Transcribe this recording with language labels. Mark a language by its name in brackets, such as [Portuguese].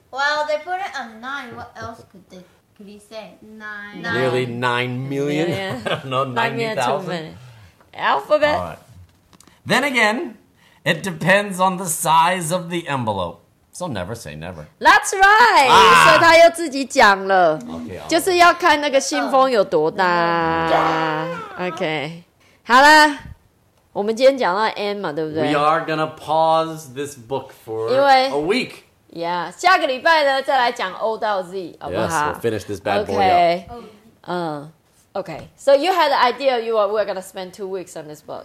[English] Well, they put it on 9. What else could he say? 9. Nearly 9 million? Yeah. I don't know, 90,000. Alphabet. All right. Then again... It depends on the size of the envelope. So never say never. That's right!、 Ah! [Chinese] 所以他又自己讲了。 Okay, 就是要看那个信封有多大。 Okay. 好了，我们今天讲到 N 嘛，对不对 [English] ?We are gonna pause this book for a week. [Chinese] Yeah, 下个礼拜呢再来讲 O 到 Z, 好不好 [English] Yes, we'll finish this bad boy up. Okay, so you had the idea we were going to spend 2 weeks on this book.